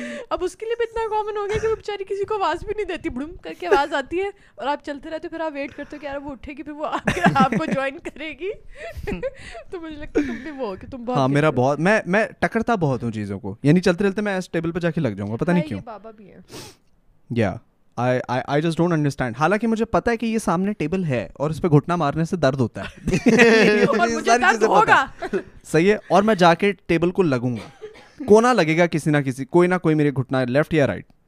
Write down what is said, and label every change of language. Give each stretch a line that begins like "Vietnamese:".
Urdu: اب اس کے لیے بھی اتنا کامن ہو گیا کہ وہ بےچاری کسی کو آواز بھی نہیں دیتی, بڑم کر کے آواز آتی ہے اور آپ چلتے رہتے, پھر آپ ویٹ کرتے ہو کہ یار وہ اٹھے گی, پھر وہ آپ کو جوائن کرے گی. تو مجھے لگتا ہے تم بھی وہ کہ تم بہت, میرا بہت, میں ٹکرتا بہت ہوں چیزوں کو, یعنی چلتے چلتے میں اس ٹیبل پہ جا کے لگ جاؤں گا, پتا نہیں کیوں. بابا بھی ہیں
English: یا I just don't understand.
Urdu: حالانکہ مجھے پتا ہے کہ یہ سامنے ٹیبل ہے اور اس پہ گھٹنا مارنے سے درد ہوتا ہے, اور مجھے درد ہوگا, صحیح ہے, اور میں جا کے ٹیبل کو لگوں گا, کونا لگے گا کسی نہ کسی, کوئی نہ کوئی میرے گھٹنا لیفٹ یا رائٹ,